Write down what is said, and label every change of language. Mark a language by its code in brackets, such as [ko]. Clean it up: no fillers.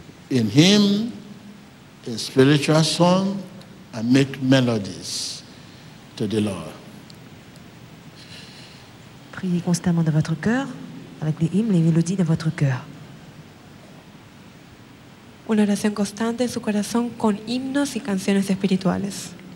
[en] In Him, a spiritual song, and make melodies to the Lord. [fr] Priez constamment dans votre cœur. Avec les hymnes, les mélodies de votre cœur. [es] Una oración constante en su corazón con himnos y canciones espirituales.